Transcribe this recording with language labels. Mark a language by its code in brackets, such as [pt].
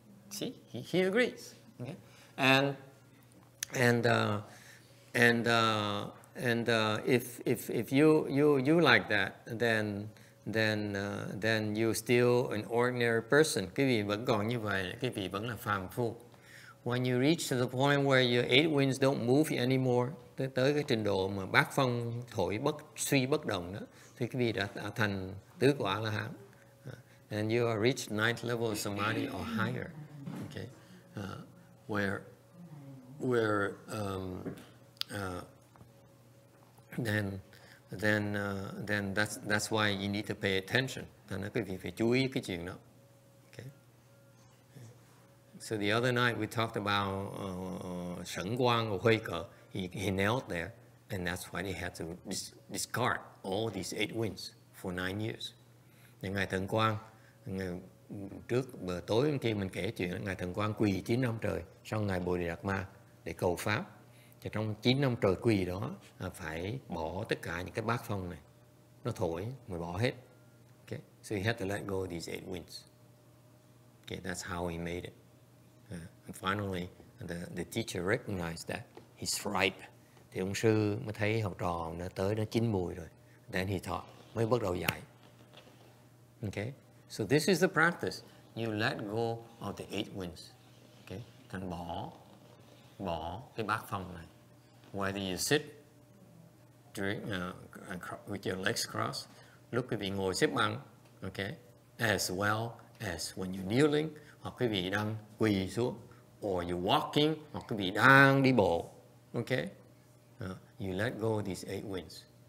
[en] See, he agrees. Okay, and if you like that, then you're still an ordinary person. [vi] Quý vị vẫn còn như vậy, quý vị vẫn là phàm phu. [en] When you reach to the point where your eight winds don't move anymore, [vi] tới cái trình độ mà bát phong thổi bất suy bất động đó, thì quý vị đã thành tứ quả la hán. [en] And you are reached ninth level of samadhi or higher. Okay, where then then that's why you need to pay attention. [vi] Nên quý vị phải chú ý cái chuyện đó. [en] Okay. So the other night we talked about Sheng Guang or Hui Ke. He knelt there, and that's why he had to discard all these eight winds for 9 years. [vi] Ngài Thần Quang, ngày trước bữa tối hôm kia mình kể chuyện, ngài Thần Quang quỳ 9 năm trời sau ngài Bồ Đề Đạt Ma để cầu pháp. Thì trong 9 năm trời quỳ đó phải bỏ tất cả những cái bát phong này, nó thổi mới bỏ hết. [en] Okay, so he had to let go of these eight winds. Okay, that's how he made it. And finally, the teacher recognized that he's ripe. [vi] Thì ông sư mới thấy học trò nó tới nó chín mùi rồi. [en] Then he taught, [vi] mới bắt đầu dạy. [en] Okay, so this is the practice. You let go of the eight winds. Okay, and [vi] bỏ cái bát phong này. [en] Whether you sit during with your legs crossed, [vi] lúc quý vị ngồi xếp bằng, [en] okay, as well as when you're kneeling, [vi] hoặc quý vị đang quỳ xuống, [en] or you're walking, [vi] hoặc quý vị đang đi bộ, [en] okay, you let go of these eight winds.